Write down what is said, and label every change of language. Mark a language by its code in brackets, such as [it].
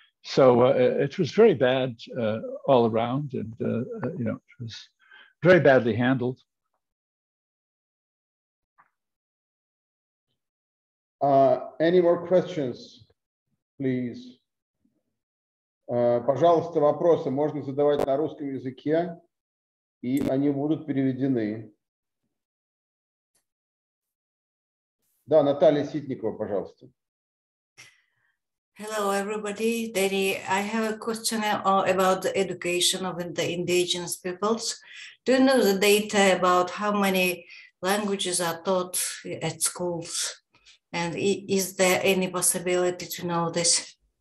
[en] So it was very bad all around, and it was very badly handled. Any more questions, please? [ru] Пожалуйста, вопросы можно задавать на русском языке, и они будут переведены. Да, Наталья Ситникова, пожалуйста. [en] Hello, everybody. Denny, I have a question about the education of the indigenous peoples. Do you know the data about how many languages are taught at schools? And is there any possibility to know this?